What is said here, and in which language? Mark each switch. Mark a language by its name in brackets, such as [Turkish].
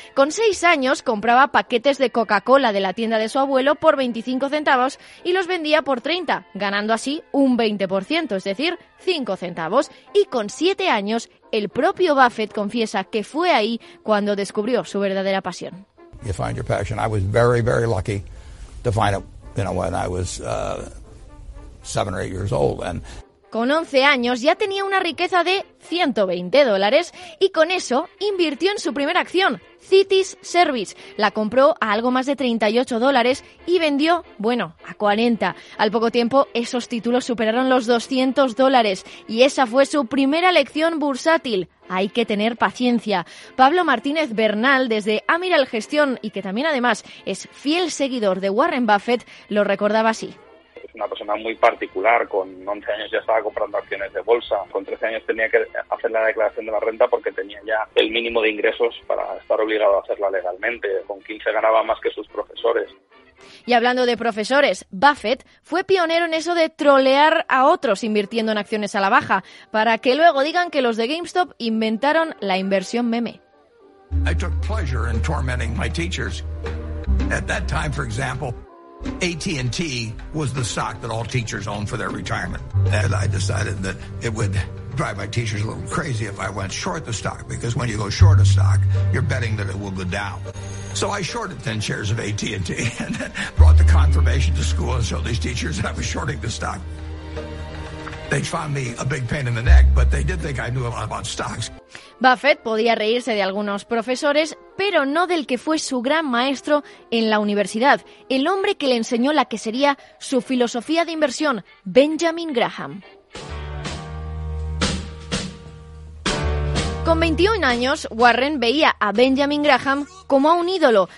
[Spanish] Con 6 años compraba paquetes de Coca-Cola de la tienda de su abuelo por 25 centavos y los vendía por 30, ganando así un 20%, es decir, 5 centavos. Y con 7 años, el propio Buffett confiesa que fue ahí cuando descubrió su verdadera pasión. [English] You find your passion. I was very, very lucky to find it, you know, when I was 7 or 8 years old. [Spanish] Con 11 años ya tenía una riqueza de $120 y con eso invirtió en su primera acción, Citi's Service. La compró a algo más de $38 y vendió, bueno, a 40. Al poco tiempo esos títulos superaron los $200 y esa fue su primera lección bursátil. Hay que tener paciencia. Pablo Martínez Bernal, desde Amiral Gestión y que también además es fiel seguidor de Warren Buffett, lo recordaba así. Una persona muy particular, con 11 años ya estaba comprando acciones de bolsa, con 13 años tenía que hacer la declaración de la renta porque tenía ya el mínimo de ingresos para estar obligado a hacerla legalmente, con 15 ganaba más que sus profesores. Y hablando de profesores, Buffett fue pionero en eso de trolear a otros invirtiendo en acciones a la baja, para que luego digan que los de GameStop inventaron la inversión meme. [English] I took pleasure in tormenting my teachers. At that time, for example, AT&T was the stock that all teachers owned for their retirement. And I decided that it would drive my teachers a little crazy if I went short the stock, because when you go short a stock, you're betting that it will go down. So I shorted 10 shares of AT&T and brought the confirmation to school and showed these teachers that I was shorting the stock. They found me a big pain in the neck, but they did think I knew a lot about stocks. [Spanish] Buffett podía reírse de algunos profesores, pero no del que fue su gran maestro en la universidad, el hombre que le enseñó la que sería su filosofía de inversión, Benjamin Graham. Con 21 años, Warren veía a Benjamin Graham como a un ídolo.